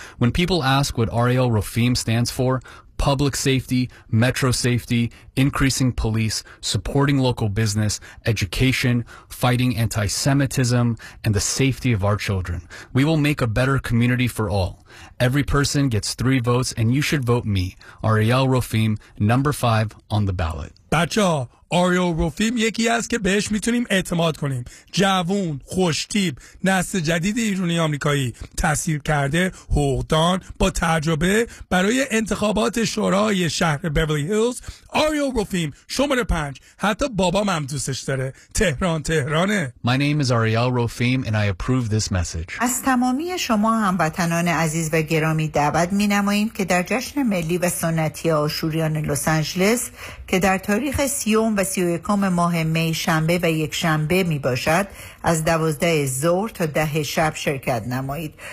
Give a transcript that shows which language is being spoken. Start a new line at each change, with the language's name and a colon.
English: When people ask what Ariel Rofim stands for, public safety, metro safety, increasing police, supporting local business, education, fighting anti-Semitism, and the safety of our children. We will make a better community for all. Every person gets 3 votes, and you should vote me, Ariel Rofim, number 5 on the ballot.
Persian: بچه ها، آریل رفیم یکی است که بهش میتونیم اعتماد کنیم. جوون، خوشتیب، نسل جدید ایرانی آمریکایی، تأثیر کرده، حقوقدان، با تجربه. برای انتخابات شورای شهر بیورلی هیلز، آریل رفیم، شماره 5. حتی بابام هم دوستش داره. تهران تهرانه.
English: My name is Ariel Rofim and I approve this message.
Persian: از تمامی شما هموطنان عزیز و گرامی دعوت مینماییم که در جشن ملی و سنتی عاشوریان لس آنجلس که در تاریخ 30 و 31 ماه می شنبه و یک شنبه می باشد از 12 ظهر تا 10 شب شرکت نمایید.